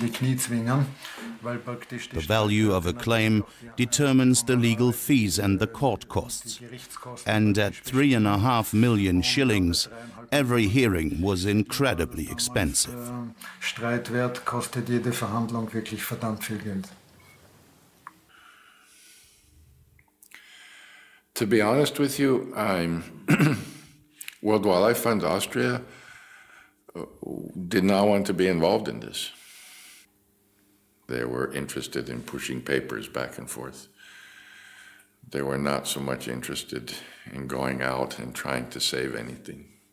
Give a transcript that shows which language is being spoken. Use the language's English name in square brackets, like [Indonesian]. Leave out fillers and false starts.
[English] The value of a claim determines the legal fees and the court costs. And at 3.5 million shillings, every hearing was incredibly expensive. [German] Streitwert kostet jede Verhandlung wirklich verdammt viel Geld. [English] To be honest with you, World Wildlife Fund Austria did not want to be involved in this. They were interested in pushing papers back and forth. They were not so much interested in going out and trying to save anything.